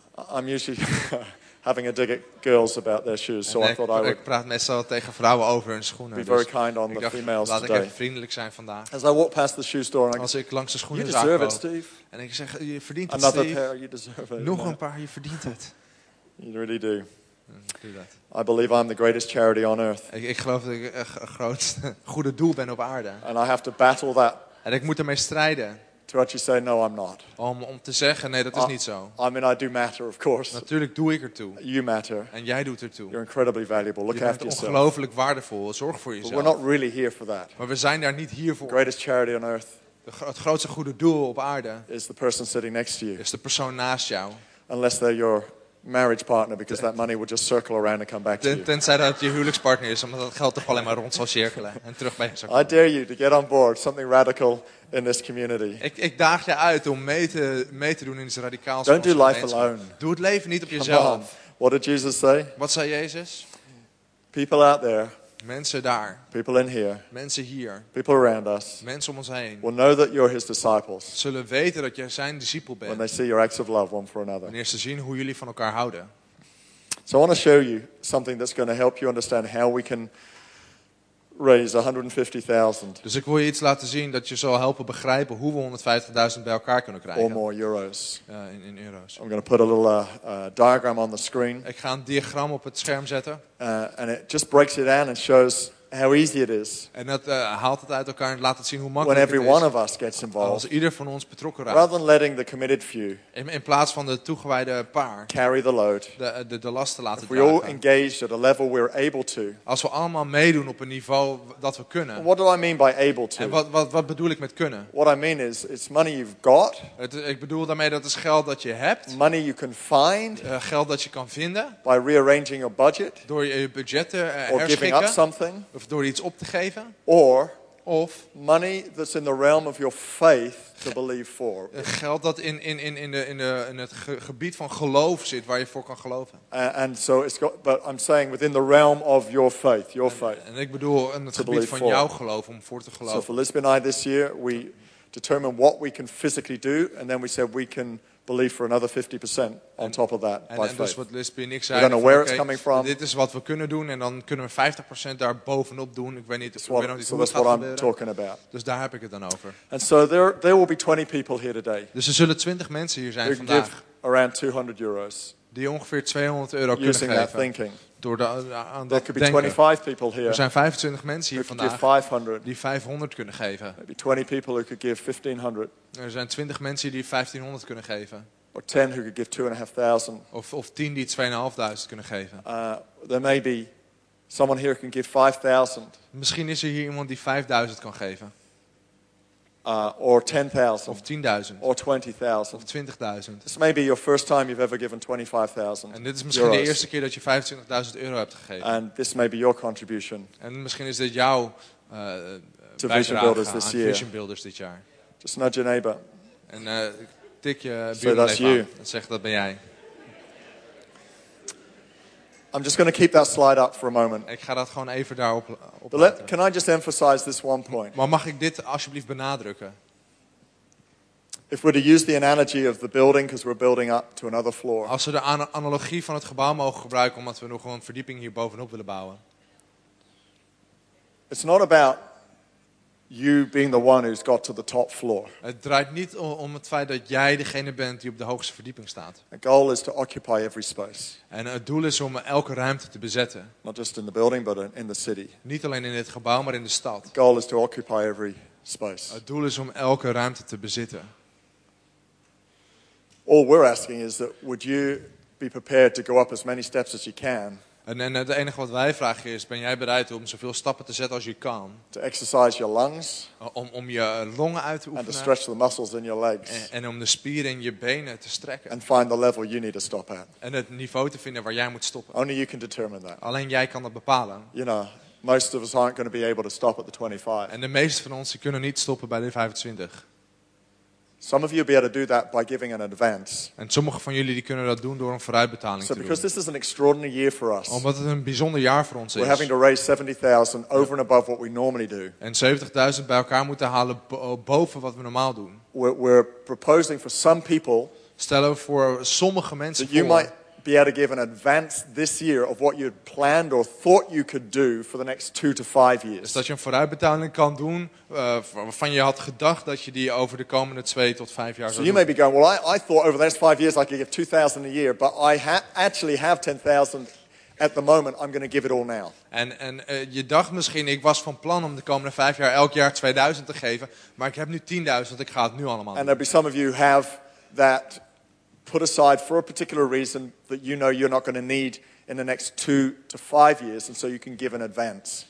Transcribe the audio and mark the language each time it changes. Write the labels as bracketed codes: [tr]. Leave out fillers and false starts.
[en] I'm usually having a dig at girls about their shoes, so I thought I would. [nl] Ik praat meestal tegen vrouwen over hun schoenen. [en] Be very kind on the females today. [nl] Laat ik even vriendelijk zijn vandaag. [en] As I walk past the shoe store, [nl] als ik langs de schoenen raak, [en] you deserve it, Steve. [nl] En ik zeg, je verdient het, [en] Another Steve. Another pair, you deserve it. [nl] Nog een paar, je verdient het. [en] You really do. I believe I'm the greatest charity on earth. [nl] Ik geloof dat ik een grootste goede doel ben op aarde. [en] And I have to battle that. [nl] En ik moet ermee strijden. [en] To actually say no, I'm not. [nl] Om te zeggen, nee, dat is niet zo. [en] I mean, I do matter, of course. [nl] Natuurlijk doe ik ertoe. [en] You matter. [nl] En jij doet ertoe. [en] You're incredibly valuable. Look after yourself. [nl] Je bent ongelooflijk waardevol. Zorg voor jezelf. [en] But we're not really here for that. [nl] Maar we zijn daar niet hier voor. [en] The greatest charity on earth. [nl] Het grootste goede doel op aarde. [en] Is the person sitting next to you. [nl] Is de persoon naast jou. [en] Unless they're your marriage partner, because that money would just circle around and come back to you. [nl] Tenzij dat je huwelijkspartner is, omdat dat geld toch alleen maar rond zal cirkelen en terug bij je zal komen. [en] I dare you to get on board something radical in this community. [nl] Ik daag je uit om mee te doen in iets radicaals. [en] Don't do life alone. [nl] Doe het leven niet op jezelf. [en] What did Jesus say? [nl] Wat zei Jezus? [en] People out there. [nl] Mensen daar. [en] People in here. [nl] Mensen hier. [en] People around us. [nl] Mensen om ons heen. [en] Will know that you're his disciples. [nl] Zullen weten dat jij zijn discipel bent. [en] When they see your acts of love one for another. [nl] Wanneer ze zien hoe jullie van elkaar houden. [en] So I want to show you something that's going to help you understand how we can raise 150,000. [nl] Dus ik wil je iets laten zien dat je zal helpen begrijpen hoe we 150.000 bij elkaar kunnen krijgen. [en] Or more euros. [nl] In euros. [en] I'm going to put a little diagram on the screen. [nl] Ik ga een diagram op het scherm zetten. [en] And it just breaks it down and shows how easy it is. [nl] En dat haalt het uit elkaar en laat het zien hoe makkelijk het is. [en] When every one of us gets involved. [nl] Als ieder van ons betrokken raakt. [en] Rather than letting the committed few. [nl] In plaats van de toegewijde paar. [en] Carry the load. [nl] De last te laten dragen. [en] If we all engage at a level we're able to. [nl] Als we allemaal meedoen op een niveau dat we kunnen. [en] What do I mean by able to? [nl] En wat bedoel ik met kunnen? [en] What I mean is it's money you've got. [nl] Ik bedoel daarmee dat is geld dat je hebt. [en] Money you can find. [nl] Geld dat je kan vinden. [en] By rearranging your budget. [nl] Door je budget te herschikken. [en] Or giving up something. [nl] Of door iets op te geven. [en] Of money that's in the realm of your faith to believe for. [nl] Geld dat in het gebied van geloof zit waar je voor kan geloven. [en] And so it's got, but I'm saying within the realm of your faith. [nl] En ik bedoel in het gebied van jouw geloof om voor te geloven. [en] So for Lisbon and I this year we determine what we can physically do and then we said we can believe for another 50% on top of that by faith. [nl] En dat is wat Lisby en ik zei. [en] We don't know where it's coming from. [nl] Dit is wat we kunnen doen en dan kunnen we 50% daar bovenop doen. Ik weet niet of we [en] so that's what I'm talking about. [nl] Dus daar heb ik het dan over. [en] And so there will be 20 people here today. [nl] Dus er zullen 20 mensen hier zijn vandaag. [en] Give around 200 euros. [nl] Die ongeveer 200 euro kunnen [en] using [nl] geven. [en] That thinking. [nl] Door aan dat [en] could be 25 people here. [nl] Er zijn 25 mensen hier vandaag die 500 kunnen geven. [en] Maybe 20 people who could give 1500. [nl] Er zijn 20 mensen die 1500 kunnen geven. [en] Or 10 who could give 2,500. [nl] Of 10 die 2,500 kunnen geven. [en] There may be someone here who can give 5,000. [nl] Misschien is er hier iemand die 5,000 kan geven. [en] Or 10,000. [nl] Of 10,000. [en] Or 20,000. [nl] Of 20,000. [en] This may be your first time you've ever given 25,000. [nl] En dit is misschien de eerste keer dat je 25,000 euro hebt gegeven. [en] And this may be your contribution. [nl] En misschien is dit jouw bijdrage aan Vision Builders dit jaar. [en] Just nudge your neighbor. [nl] En tik je buurman even aan. Zeg dat ben jij. [en] I'm just going to keep that slide up for a moment. [nl] Ik ga dat gewoon even daarop laten. [en] Can I just emphasize this one point? [nl] Maar mag ik dit alsjeblieft benadrukken? [en] If we're to use the analogy of the building, because we're building up to another floor. [nl] Als we de analogie van het gebouw mogen gebruiken, omdat we nog gewoon een verdieping hier bovenop willen bouwen. [en] It's not about you being the one who's got to the top floor. [nl] Het draait niet om het feit dat jij degene bent die op de hoogste verdieping staat. [en] The goal is to occupy every space. [nl] En het doel is om elke ruimte te bezetten. [en] Not just in the building, but in the city. [nl] Niet alleen in het gebouw, maar in de stad. [en] The goal is to occupy every space. [nl] Het doel is om elke ruimte te bezitten. [en] All we're asking is that would you be prepared to go up as many steps as you can? [nl] En het enige wat wij vragen is, ben jij bereid om zoveel stappen te zetten als je kan? [en] To exercise your lungs. [nl] Om je longen uit te oefenen. [en] And to stretch the muscles in your legs. [nl] En om de spieren in je benen te strekken. [en] And find the level you need to stop at. [nl] En het niveau te vinden waar jij moet stoppen. [en] Only you can determine that. [nl] Alleen jij kan dat bepalen. [en] You know, most of us aren't going to be able to stop at the 25. [nl] En de meeste van ons kunnen niet stoppen bij de 25. [en] Some of you be able to do that by giving an advance. [nl] En sommige van jullie die kunnen dat doen door een vooruitbetaling [en] so [nl] te doen. [en] So because this is an extraordinary year for us. [nl] Omdat het een bijzonder jaar voor ons [en] we're [nl] is. [en] We're having to raise 70,000 over and above what we normally do. [nl] En 70,000 bij elkaar moeten halen boven wat we normaal doen. [en] We're proposing for some people. [nl] Stellen we voor sommige mensen [en] that That you might be able to give an advance this year of what you had planned or thought you could do for the next 2 to 5 years. [nl] Dus dat je een vooruitbetaling kan doen waarvan je had gedacht dat je die over de komende 2 tot 5 jaar zou doen. [en] So you may be going, well, I thought over the next 5 years I could give 2,000 a year, but I actually have 10,000 at the moment. I'm going to give it all now. [nl] En je dacht misschien, ik was van plan om de komende 5 jaar elk jaar 2,000 te geven, maar ik heb nu 10,000, ik ga het nu allemaal doen. [en] And there'll be some of you have that put aside for a particular reason that you know you're not going to need in the next 2 to 5 years, and so you can give an advance.